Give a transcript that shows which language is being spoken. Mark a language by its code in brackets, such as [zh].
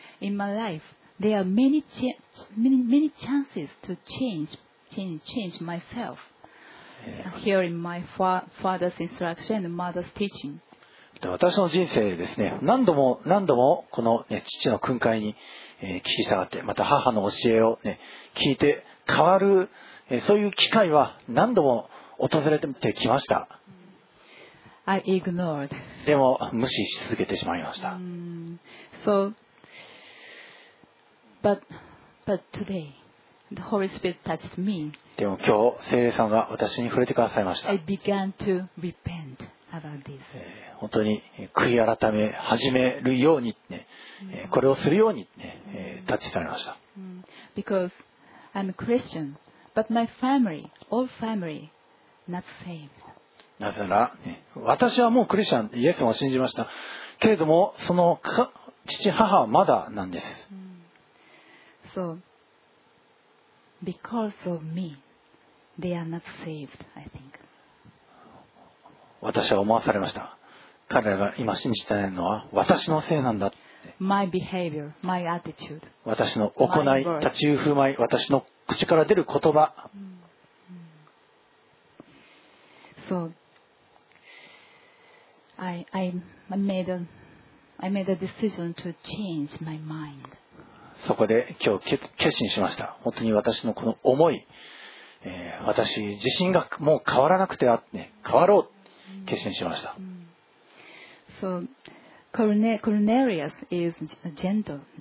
[en] In my life, there are many chances to change. change myself, hearing my father's instruction and mother's teaching. [ja] 私の人生ですね、何度も何度もこの、ね、父の訓戒に、聞き従って、また母の教えを、ね、聞いて変わる、そういう機会は何度も訪れてきました。 [en] I ignored. [ja] でも無視し続けてしまいました。 [en] So, but today, the Holy Spirit touched me. [ja] でも今日聖霊さんが私に触れてくださいました。 [en] I began to repent about this. [ja] 本当に悔い改め始めるようにね、これをするようにね、立ち去りました。 [en] Because I'm a Christian, but my family, all family, not saved. [ja] なぜなら、ね、私はもうクリスチャン、イエス様を信じましたけれども、その父母はまだなんです。 [en] So, because of me, they are not saved, I think. [ja] 私は思わされました。彼らが今信じていないのは私のせいなんだ。 [en] My behavior, my attitude. [ja] 私の行い、立ち居振る舞い、私の口から出る言葉。 [en] So,I made a decision to change my mind. [ja] そこで今日決心しました。本当に私のこの思い、私自身がもう変わらなくてあって、ね、変わろう決心しました。 [en] So, Cornelius is Gentile.